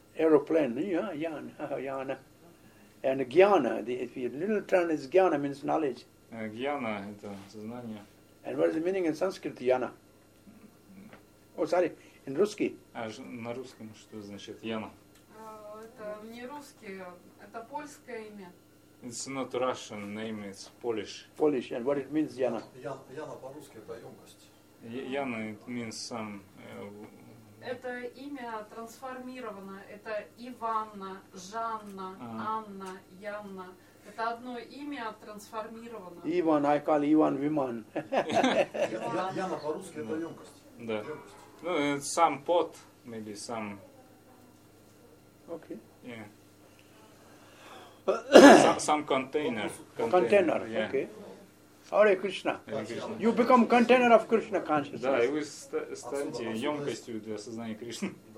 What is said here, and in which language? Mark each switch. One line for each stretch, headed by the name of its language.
English: Aeroplane, yeah, Яна. And гьяна, the little term is гьяна, means knowledge.
Russian: Гьяна – это сознание.
English: And what is the meaning in Sanskrit, Яна? Oh, sorry, in
Russian: русский. А на русском что значит Яна? Это не русский, это польское имя.
English: It's not Russian name, it's Polish. Polish, and what it means, Яна?
Russian: Яна по-русски – это емкость.
English: Яна, it means some...
Russian: Это имя трансформировано. Это Иванна, Жанна, Анна, Яна. Это одно имя трансформировано.
English: Иван, I call Иван Виман.
Russian: Яна по-русски – это емкость. Да. Ну, это сам пот,
English: maybe
Russian: сам. Окей. Сам контейнер. Контейнер, окей. Харе Кришна.
English: You become container of Krishna consciousness.
Russian: Да, и вы станете емкостью для сознания Кришны.